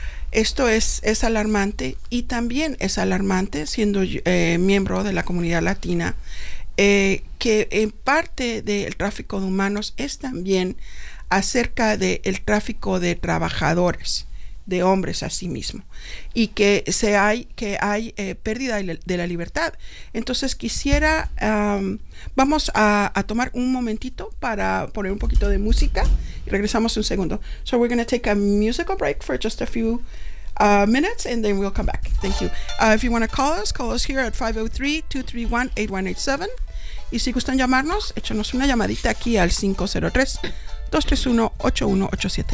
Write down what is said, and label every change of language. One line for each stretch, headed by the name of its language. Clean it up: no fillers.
Spanish: Esto es alarmante, y también es alarmante, siendo miembro de la comunidad latina, que en parte del tráfico de humanos es también acerca del tráfico de trabajadores, de hombres a sí mismo, y que hay pérdida de la libertad. Entonces quisiera, vamos a tomar un momentito para poner un poquito de música y regresamos un segundo.
English: So we're going to take a musical break for just a few minutes and then we'll come back. Thank you. If you want to call us here at 503-231-8187.
Spanish: Y si gustan llamarnos, échanos una llamadita aquí al 503-231-8187.